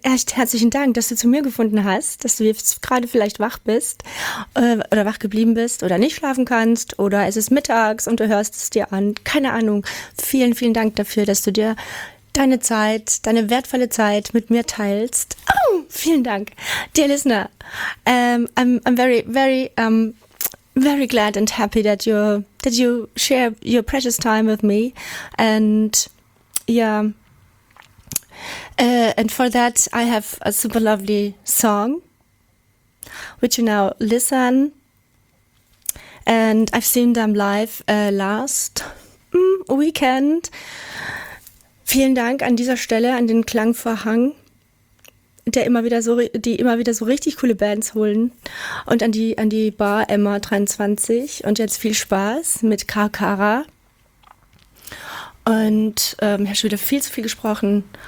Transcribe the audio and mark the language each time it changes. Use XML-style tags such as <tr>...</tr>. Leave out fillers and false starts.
<de>Echt herzlichen Dank, dass du zu mir gefunden hast, dass du jetzt gerade vielleicht wach bist oder wach geblieben bist oder nicht schlafen kannst oder es ist mittags und du hörst es dir an. Keine Ahnung. Vielen, vielen Dank dafür, dass du dir deine Zeit, deine wertvolle Zeit mit mir teilst. Oh, vielen Dank,</de> <en>dear listener. I'm very, very, very glad and happy that you share your precious time with me. And yeah, and for that I have a super lovely song which you now listen, and I've seen them live last weekend.</en> <de>Vielen Dank an dieser Stelle an den Klangvorhang, die immer wieder so richtig coole Bands holen, und an die Bar Emma 23. Und jetzt viel Spaß mit Karkara. Und ich habe schon wieder viel zu viel gesprochen.</de>